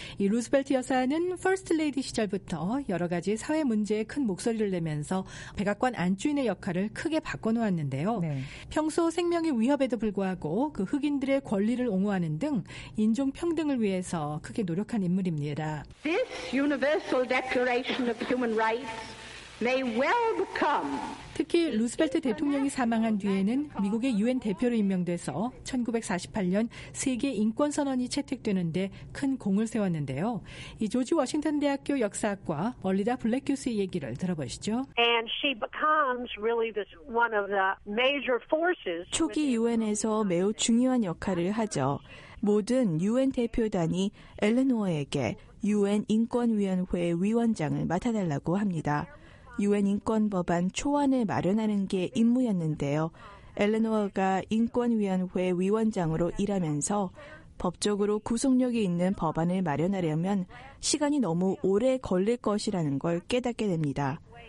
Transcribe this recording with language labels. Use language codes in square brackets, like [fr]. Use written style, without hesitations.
[ko] 이 루스벨트 여사는 퍼스트 레이디 시절부터 여러 가지 사회 문제에 큰 목소리를 내면서 백악관 안주인의 역할을 크게 바꿔놓았는데요. 네. 평소 생명의 위협에도 불구하고 그 흑인들의 권리를 옹호하는 등 인종 평등을 위해서 크게 노력한 인물입니다. [en] This Universal Declaration of Human Rights may well become. [ko] 특히 루스벨트 대통령이 사망한 뒤에는 미국의 유엔 대표로 임명돼서 1948년 세계 인권 선언이 채택되는 데 큰 공을 세웠는데요. 이 조지 워싱턴 대학교 역사학과 멀리다 블랙 교수의 얘기를 들어보시죠. [en] And she becomes really this one of the major forces. [ko] 초기 유엔에서 매우 중요한 역할을 하죠. 모든 유엔 대표단이 엘레노어에게 유엔 인권위원회 위원장을 맡아달라고 합니다. 유엔 인권법안 초안을 마련하는 게 임무였는데요. 엘레노어가 인권위원회 위원장으로 일하면서 법적으로 구속력이 있는 법안을 마련하려면 시간이 너무 오래 걸릴 것이라는 걸 깨닫게 됩니다.